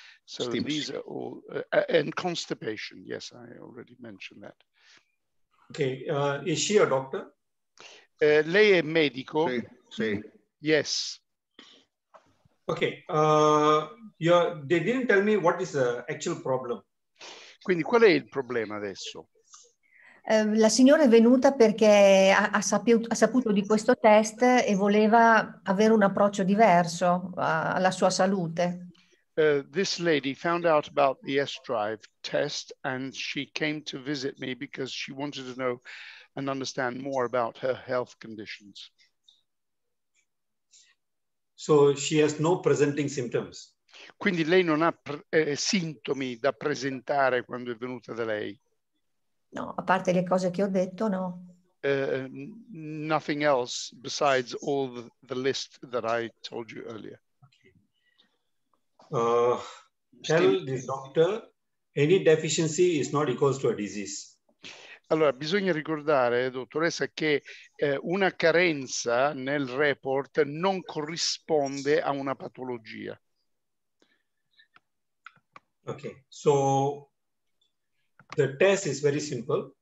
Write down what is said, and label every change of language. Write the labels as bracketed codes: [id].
[en] So stipsi. These are all, and constipation. Yes, I already mentioned that. Okay, is she a doctor? [it] Lei è medico? Sì, sì. [en] Yes. Okay. They didn't tell me what is the actual problem. [it] Quindi qual è il problema adesso? La signora è venuta perché ha saputo di questo test e voleva avere un approccio diverso alla sua salute. [en] This lady found out about the S-Drive test and she came to visit me because she wanted to know and understand more about her health conditions. So she has no presenting symptoms. [it] Quindi lei non ha sintomi da presentare quando è venuta da lei? No, a parte le cose che ho detto, no. [en] Nothing else besides all the list that I told you earlier. Tell the doctor any deficiency is not equal to a disease. [it] Allora, bisogna ricordare, dottoressa, che una carenza nel report non corrisponde a una patologia. [en] Ok, so the test is very simple.